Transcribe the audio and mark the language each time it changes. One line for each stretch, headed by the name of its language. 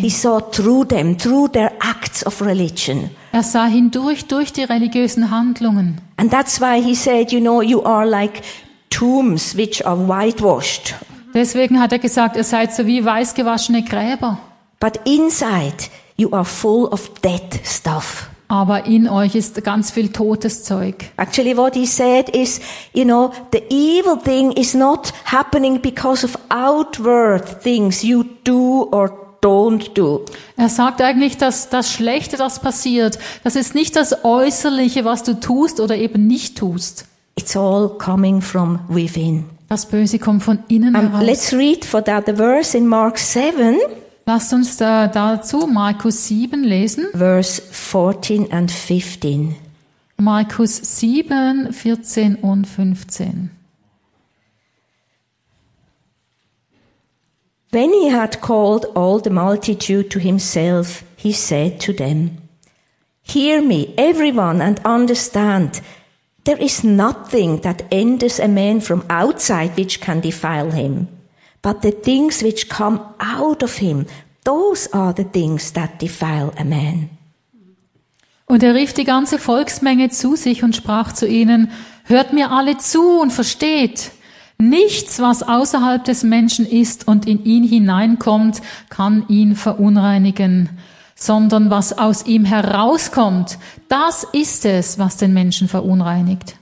English: He saw through them, through their acts of religion.
German: Er sah hindurch durch die religiösen Handlungen.
English: And that's why he said, you know, you are like tombs which are whitewashed.
German: Deswegen hat er gesagt, ihr seid so wie weißgewaschene Gräber.
English: But inside you are full of dead stuff.
German: Aber in euch ist ganz viel totes Zeug.
English: Actually what he said is, you know, the evil thing is not happening because of outward things you do or don't do.
German: Er sagt eigentlich, dass das Schlechte, das passiert, das ist nicht das Äußerliche, was du tust oder eben nicht tust.
English: It's all coming from within.
German: Das Böse kommt von innen heraus.
English: Let's read for that the verse in Mark 7.
German: Lasst uns da dazu Markus 7 lesen.
English: Verse 14 and 15.
German: Markus 7, 14 und 15.
English: When he had called all the multitude to himself, he said to them, "Hear me, everyone, and understand. There is nothing that enters a man from outside which can defile him. But the things which come out of him, those are the things that defile a man."
German: Und er rief die ganze Volksmenge zu sich und sprach zu ihnen, "Hört mir alle zu und versteht. Nichts, was außerhalb des Menschen ist und in ihn hineinkommt, kann ihn verunreinigen. Sondern was aus ihm herauskommt, das ist es, was den Menschen verunreinigt."